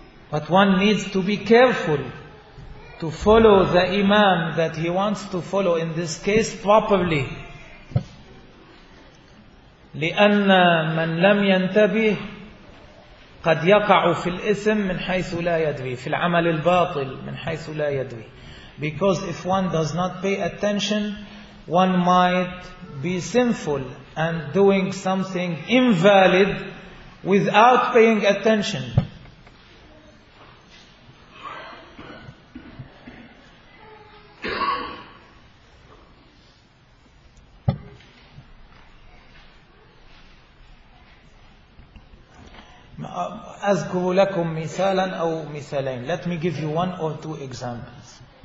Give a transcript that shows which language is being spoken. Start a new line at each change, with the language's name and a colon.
English: But one needs to be careful to follow the Imam that he wants to follow in this case properly.
Arabic: لأن من لم ينتبه قد يقع في الإثم من حيث لا يدري في العمل الباطل من حيث لا يدري.
English: Because if one does not pay attention, one might be sinful and doing something invalid without paying attention.
Arabic: أذكر لكم مثالا أو مثالين.
English: Let me give you one or two examples.